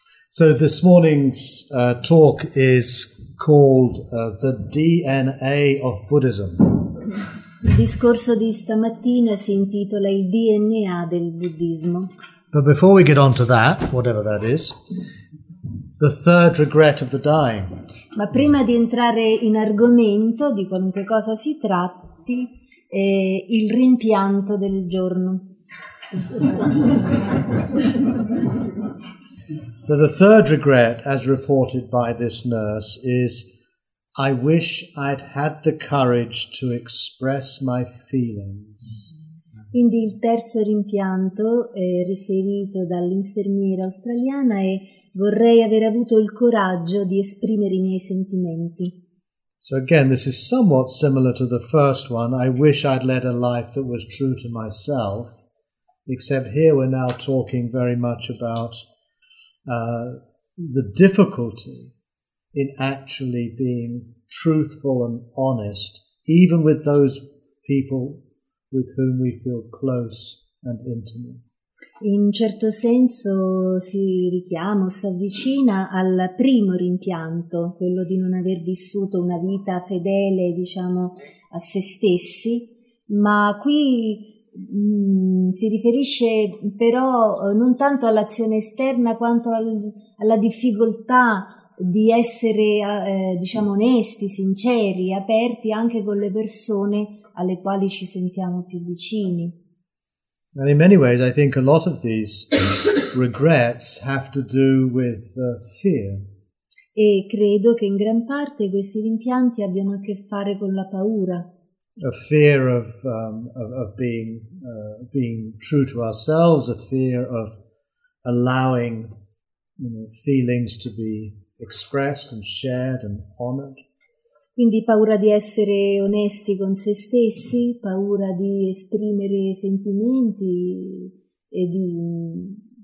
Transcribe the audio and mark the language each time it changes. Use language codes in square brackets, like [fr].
[en] So this morning's talk is called The DNA of Buddhism. [it] Il discorso di stamattina si intitola Il DNA del Buddhismo. [en] But before we get on to that, whatever that is, the third regret of the dying. [it] Ma prima di entrare in argomento di qualunque cosa si tratti, il rimpianto del giorno. [en] So the third regret, as reported by this nurse, is I wish I'd had the courage to express my feelings. [it] Quindi il terzo rimpianto riferito dall'infermiera australiana è vorrei aver avuto il coraggio di esprimere i miei sentimenti. [en] So again, this is somewhat similar to the first one. I wish I'd led a life that was true to myself. Except here we're now talking very much about the difficulty in actually being truthful and honest, even with those people with whom we feel close and intimate. [it] In certo senso si richiama, si avvicina al primo rimpianto, quello di non aver vissuto una vita fedele, diciamo, a se stessi, ma qui si riferisce però non tanto all'azione esterna quanto alla difficoltà di essere diciamo onesti, sinceri, aperti anche con le persone alle quali ci sentiamo più vicini. [en] And in many ways I think a lot of these regrets have to do with fear. [it] E credo che in gran parte questi rimpianti abbiano a che fare con la paura. [en] A fear of being being true to ourselves, a fear of allowing, you know, feelings to be expressed and shared and honored. [it] Quindi paura di essere onesti con se stessi, paura di esprimere sentimenti e di